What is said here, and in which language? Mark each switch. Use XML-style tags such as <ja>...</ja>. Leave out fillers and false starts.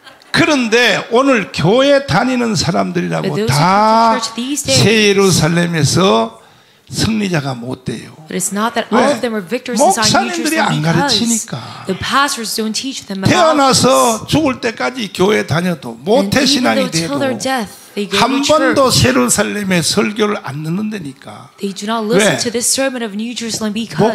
<ko>그런데 오늘 교회 다니는 사람들이라고 다 새 예루살렘에서 승리자가 못 돼요.</ko> <en>But it's not that all of them are victors in Zion.</en> <ko>목사님들이 안 가르치니까.</ko> <en>The pastors don't teach them.</en> <ko>태어나서 죽을 때까지 교회 다녀도 모태 신앙이 돼도. 한 번도 예루살렘에 설교를 안 듣는다니까.</ko> <en>They do not listen to this sermon of New Jerusalem because</en>